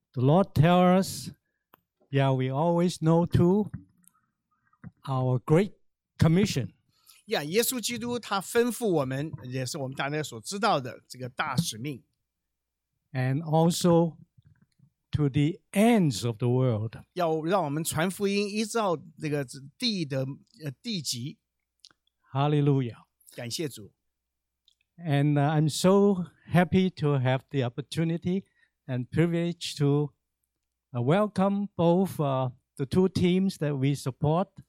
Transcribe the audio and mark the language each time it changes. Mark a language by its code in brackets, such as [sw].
[en] The Lord tells us, yeah, we always know to our great commission. [zh] Yeah, 耶稣基督他吩咐我们，也是我们大家所知道的这个大使命。 [en] And also to the ends of the world. [zh] 要让我们传福音依照这个地的地极。 [en] Hallelujah. [zh] 感谢主。 [en] And I'm so happy to have the opportunity and privilege to welcome both the two teams that we support.